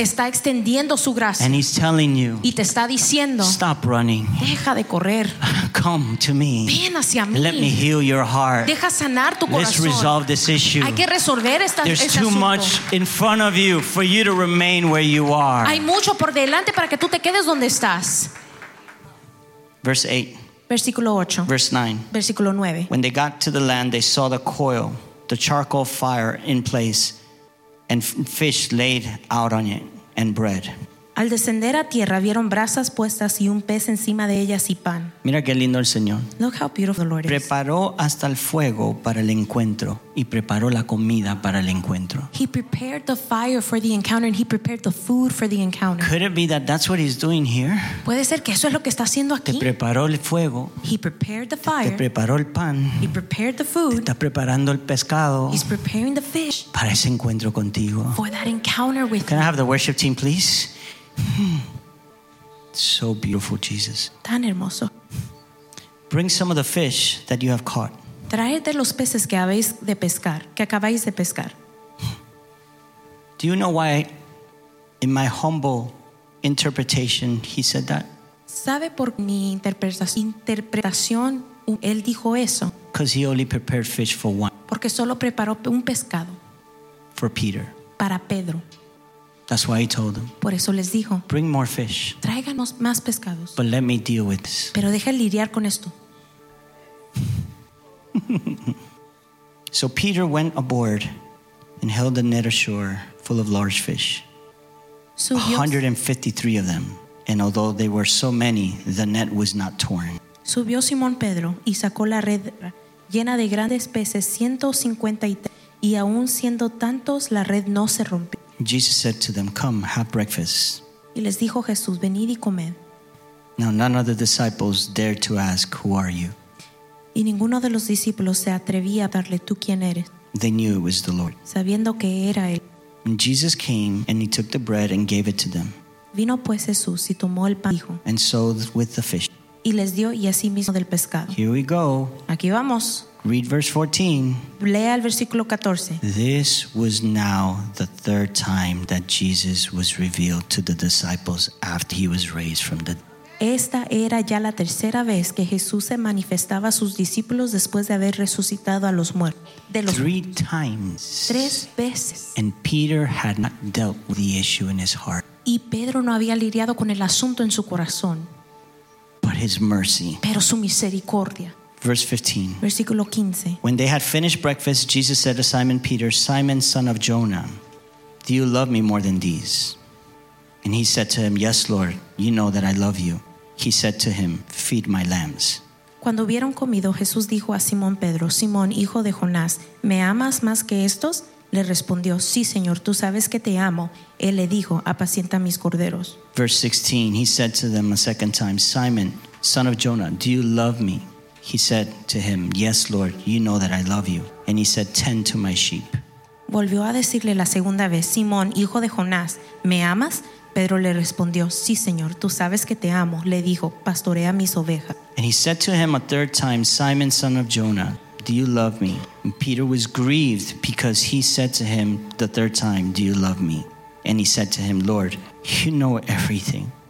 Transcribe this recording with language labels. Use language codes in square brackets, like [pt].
[es] Está extendiendo su gracia. [en] And he's telling you, [es] y te está diciendo, [en] stop running. [es] Deja de correr. [en] Come to me. [es] Ven hacia mí. [en] Let me heal your heart. [es] Deja sanar tu corazón. [en] Let's resolve this issue. [es] Hay que resolver esta, [en] There's [es] este [en] too [es] asunto. [en] Much in front of you for you to remain where you are. [es] Hay mucho por delante para que tú te quedes donde estás. [en] Verse 8. [es] Versículo 8. [en] Verse 9. [es] Versículo 9. [en] When they got to the land, they saw the coil, the charcoal fire in place, and fish laid out on it, and bread. [es] Al descender a tierra, vieron brasas puestas y un pez encima de ellas y pan. Mira qué lindo el Señor. [en] Look how beautiful the Lord is. [es] Preparó hasta el fuego para el encuentro y preparó la comida para el encuentro. [en] He prepared the fire for the encounter and he prepared the food for the encounter. Could it be that that's what he's doing here? [es] Puede ser que eso es lo que está haciendo aquí. Te preparó el fuego. [en] He prepared the fire. [es] Te preparó el pan. [en] He prepared the food. [es] Te está preparando el pescado. [en] He's preparing the fish. [es] Para ese encuentro contigo. [en] For that encounter with Can I have the worship team, please? So beautiful, Jesus. [es] Tan hermoso. [en] Bring some of the fish that you have caught. [es] Traed de los peces que habéis de pescar, que acabáis de pescar. [en] Do you know why, in my humble interpretation, he said that? [es] ¿Sabe por mi interpretación él dijo eso? [en] Because he only prepared fish for one. [es] Porque solo preparó un pescado. [en] For Peter. [es] Para Pedro. [en] That's why he told them. [es] Por eso les dijo. [en] Bring more fish. [es] Tráiganos más pescados. [en] But let me deal with this. [es] Pero deja lidiar con esto. [en] So Peter went aboard and held the net ashore full of large fish. So 153 of them. And although they were so many, the net was not torn. [es] Subió Simón Pedro y sacó la red llena de grandes peces, 153, y aún siendo tantos, la red no se rompió. [en] Jesus said to them, "Come, have breakfast." [es] Y les dijo Jesús, "Venid y comed." [en] Now none of the disciples dared to ask, "Who are you?" [es] Y ninguno de los discípulos se atrevía a darle, "¿Tú quién eres?" [en] They knew it was the Lord. [es] Sabiendo que era él. [en] And Jesus came and he took the bread and gave it to them. [es] Vino pues Jesús y tomó el pan, dijo. [en] And so with the fish. [es] Y les dio y así mismo del pescado. [en] Here we go. [es] Aquí vamos. [en] Read verse 14. [es] Lea el versículo 14. [en] This was now the third time that Jesus was revealed to the disciples after he was raised from the dead. [es] Esta era ya la tercera vez que Jesús se manifestaba a sus discípulos después de haber resucitado a los muertos. [en] Three times. [es] Tres veces. [en] And Peter had not dealt with the issue in his heart. [es] Y Pedro no había lidiado con el asunto en su corazón. [en] But his mercy. [es] Pero su misericordia. [en] Verse 15. [es] Versículo 15. [en] When they had finished breakfast, Jesus said to Simon Peter, "Simon, son of Jonah, do you love me more than these?" And he said to him, "Yes, Lord, you know that I love you." He said to him, "Feed my lambs." [es] Cuando hubieron comido, Jesús dijo a Simón Pedro, "Simón, hijo de Jonás, ¿me amas más que estos?" Le respondió, "Sí, Señor, tú sabes que te amo." Él le dijo, "Apacienta mis corderos." [en] Verse 16. He said to them a second time, "Simon, son of Jonah, do you love me?" He said to him, "Yes, Lord, you know that I love you." And he said, "Tend to my sheep." [es] Volvió a decirle la segunda vez, "Simón, hijo de Jonás, ¿me amas?" Pedro le respondió, "Sí, Señor, tú sabes que te amo." Le dijo, "Pastorea mis ovejas." [en] And he said to him a third time, "Simon, son of Jonah, do you love me?" And Peter was grieved because he said to him the third time, "Do you love me?" And he said to him, "Lord, you know everything.